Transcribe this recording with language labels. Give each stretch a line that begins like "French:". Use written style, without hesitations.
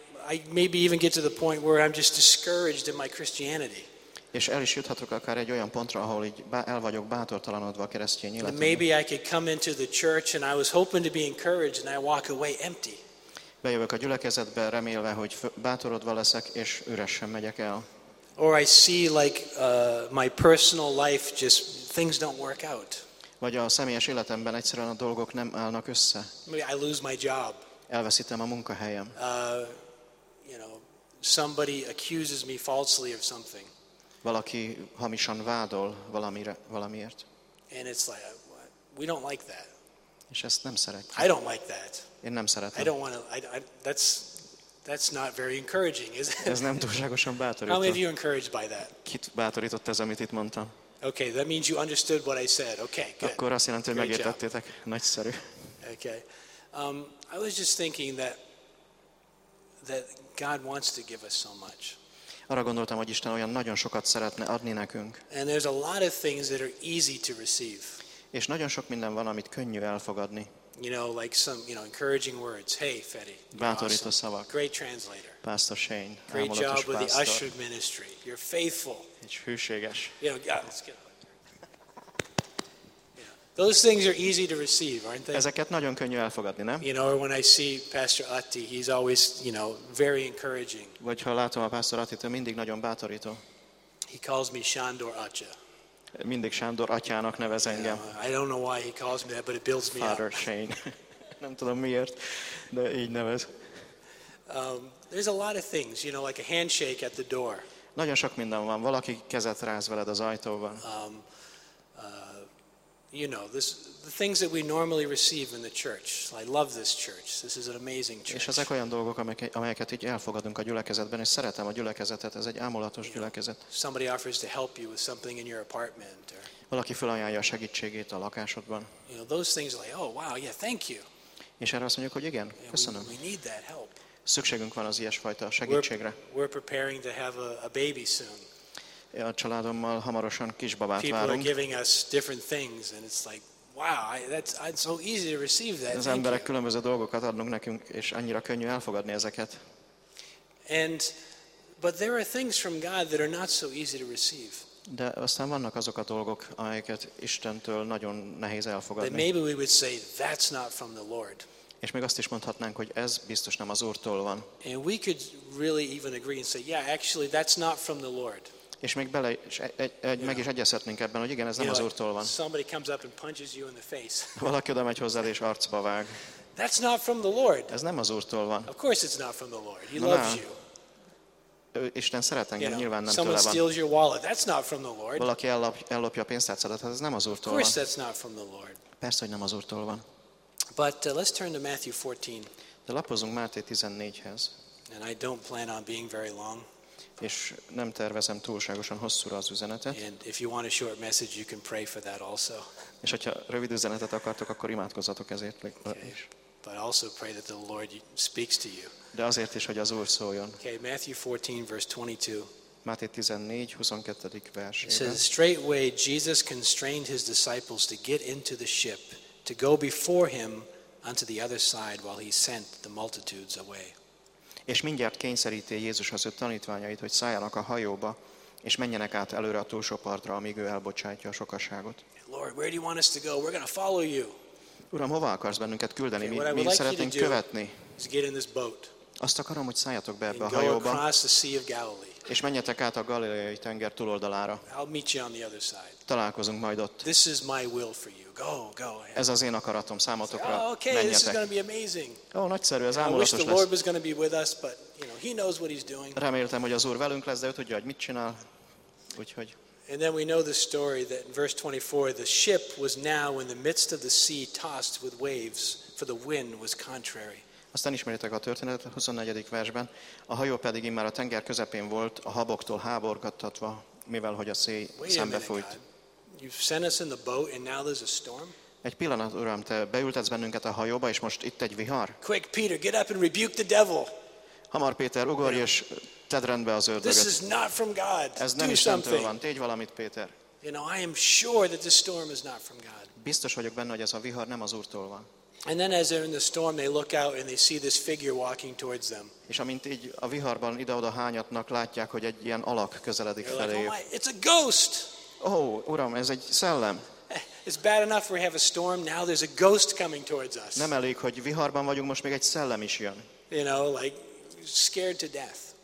English: I maybe even get to the point where I'm just discouraged in my Christianity.
Hungarian: És el is juthatok akár egy olyan pontra, ahol így el vagyok bátortalanodva a keresztény életemben.
English: Maybe I could come into the church and I was hoping to be encouraged and I walk away empty.
Hungarian: Bejövök a gyülekezetbe remélve, hogy bátorodva leszek és üresen megyek el.
English: Or I see like my personal life just things don't work out.
Hungarian: Vagy a személyes életemben egyszerűen a dolgok nem állnak össze.
English: I lose my job.
Hungarian: Elveszítem a munkahelyem.
English: You know, somebody accuses me falsely of something.
Hungarian: Valaki hamisan vádol valamiért.
English: And it's like, we don't like that.
Hungarian: És ezt nem szeretjük.
English: I don't like that.
Hungarian: Én nem szeretem.
English: I don't want to. That's not very encouraging, is it?
Hungarian: Ez nem túlságosan bátorító.
English: How many of you encouraged by that?
Hungarian: Kit bátorított ez, amit itt mondtam?
English: Okay, that means you understood what I said. Okay, good.
Hungarian: Akkor azt jelenti, hogy megértettétek. Nagyszerű.
English: Okay. I was just thinking that God wants to give us so much.
Hungarian: Arra gondoltam, hogy Isten olyan nagyon sokat szeretne adni nekünk.
English: And there's a lot of things that are easy to receive.
Hungarian: És nagyon sok minden van, amit könnyű elfogadni.
English: You know, like some, you know, encouraging words. Hey, Fetty.
Hungarian: Bátorító
English: awesome.
Hungarian: Szavak.
English: Great translator. Pastor Shane. Great job pastor. With the usher ministry. You're faithful.
Hungarian: És hűséges.
English: You know, God, let's get those things are easy to receive, aren't they?
Hungarian: Ezeket nagyon könnyű elfogadni, nem?
English: You know, or when I see Pastor Atti, he's always, you know, very encouraging.
Hungarian: Vagy ha látom a Pastor Attit, mindig nagyon bátorító.
English: he calls me Sándor atya.
Hungarian: Mindig Sándor atyának nevez engem.
English: I don't know why he calls me that, but it builds me up. Father Shane.
Hungarian: Nem tudom miért, de így nevez.
English: There's a lot of things, you know, like a handshake at the door.
Hungarian: Nagyon sok minden van. Valaki kezet ráz veled az ajtóban.
English: You know, this the things that we normally receive in the church. I love this church. This is an amazing church.
Hungarian: És ezek olyan dolgok, amelyeket így elfogadunk a gyülekezetben, és szeretem a gyülekezetet. Ez egy ámulatos gyülekezet.
English: Somebody offers to help you with something in your apartment.
Hungarian: Valaki felajánlja a segítségét a lakásodban.
English: You know, those things are like, oh wow, yeah, thank you.
Hungarian: És erre azt mondjuk, hogy igen, köszönöm.
English: We need that help.
Hungarian: Szükségünk van az ilyesfajta segítségre.
English: We're preparing to have a baby soon.
Hungarian: A családommal hamarosan kisbabát
English: People
Hungarian: várunk.
English: People are giving us different things, and it's like, wow, that's so easy to receive that.
Hungarian: Az emberek különböző dolgokat adnak nekünk, és annyira könnyű elfogadni ezeket.
English: And, but there are things from God that are not so easy to receive.
Hungarian: De aztán vannak azok a dolgok, amelyeket Istentől nagyon nehéz elfogadni.
English: That maybe we would say that's not from the Lord.
Hungarian: És még azt is mondhatnánk, hogy ez biztos nem az Úrtól van.
English: And we could really even agree and say, yeah, actually that's not from the Lord.
Hungarian: És még bele is meg is egyezhetnénk ebben, hogy igen, ez nem az Úrtól van.
English: Somebody comes up and punches you in the face.
Hungarian: Valaki oda megy hozzád és arcba vág.
English: That's not from the Lord.
Hungarian: Ez nem az Úrtól van.
English: Of course it's not from the Lord. He loves you.
Hungarian: Isten szeret engem, nyilván nem tőle van.
English: Someone steals your wallet. That's not from the Lord.
Hungarian: Valaki ellopja a pénztárcádat, ez nem az Úrtól van.
English: Of course that's not from the Lord.
Hungarian: Persze, hogy nem az Úrtól van.
English: But let's turn to Matthew 14.
Hungarian: De lapozunk Máté 14-hez.
English: And I don't plan on being very long.
Hungarian: És nem tervezem túlságosan hosszúra az üzenetet.
English: And if you want a short message, you can pray for that also.
Hungarian: És hogyha rövid üzenetet akartok, akkor imádkozzatok ezért.
English: But also pray that the Lord speaks to you.
Hungarian: De azért is, hogy az Úr szóljon.
English: Okay, Matthew 14, verse 22.
Hungarian: Máté 14, 22. versében.
English: It says, straightway Jesus constrained his disciples to get into the ship, to go before him onto the other side while he sent the multitudes away.
Hungarian: És mindjárt kényszeríti Jézus az ő tanítványait, hogy szálljanak a hajóba, és menjenek át előre a túlsó partra, amíg ő elbocsátja a sokasságot.
English: Lord, where do you want us to go? We're going to follow you.
Hungarian: Uram, hova akarsz bennünket küldeni?
English: Okay,
Hungarian: mi szeretnénk
English: like
Hungarian: követni?
English: Get in this boat.
Hungarian: Azt akarom, hogy szálljatok be ebbe a hajóba, és menjetek át a Galileai tenger túloldalára.
English: I'll meet you on the other side.
Hungarian: Találkozunk majd ott.
English: This is my will for you. Go ahead.
Hungarian: Ez az én akaratom számotokra.
English: Oh, okay,
Hungarian: menjetek.
English: This is going to be amazing.
Hungarian: Ó, nagyszerű, ez ámulatos lesz.
English: I wish the Lord was going to be with us, but you know, he knows what he's doing.
Hungarian: Reméltem, hogy az Úr velünk lesz, de ő tudja, hogy mit csinál. Úgyhogy.
English: And then we know the story that in verse 24, the ship was now in the midst of the sea tossed with waves, for the wind was contrary.
Hungarian: Aztán ismeritek a történetet a 24. versben. A hajó pedig immár a tenger közepén volt, a haboktól háborgattatva, mivel hogy a szél szembefújt.
English: You've sent us in the boat and now there's a storm?
Hungarian: Egy pillanat, Uram, te beültetsz bennünket a hajóba, és most itt egy vihar.
English: Quick, Peter, get up and rebuke the devil.
Hungarian: Hamar, Péter, ugorj és tedd rendbe az ördögöt.
English: This is not from God.
Hungarian: Ez nem Istentől van. Tégy valamit, Péter.
English: You know, I am sure that this storm is not from God.
Hungarian: Biztos vagyok benne, hogy ez a vihar nem az Úrtól van.
English: And then as they're in the storm, they look out and they see this figure walking towards them.
Hungarian: És amint így a viharban ide-oda hányatnak, látják, hogy egy ilyen alak közeledik feléjük.
English: Like, oh, it's a ghost.
Hungarian: Oh, Uram, ez egy szellem.
English: It's bad enough we have a storm, now there's a ghost coming towards us.
Hungarian: Nem elég, hogy viharban vagyunk, most még egy szellem is jön.
English: You know, like scared to death.